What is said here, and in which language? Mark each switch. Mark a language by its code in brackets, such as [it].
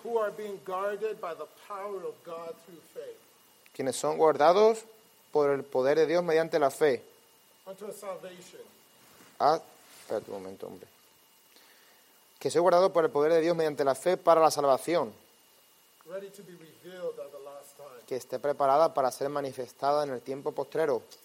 [en] Who are being guarded by the power of God through faith. [es] Quienes son guardados por el poder de Dios mediante la fe. [en] Unto a salvation. [es] Espera un momento, hombre. Que soy guardado por el poder de Dios mediante la fe para la salvación. [en] Ready to be revealed at the last time. [es] Que esté preparada para ser manifestada en el tiempo postrero.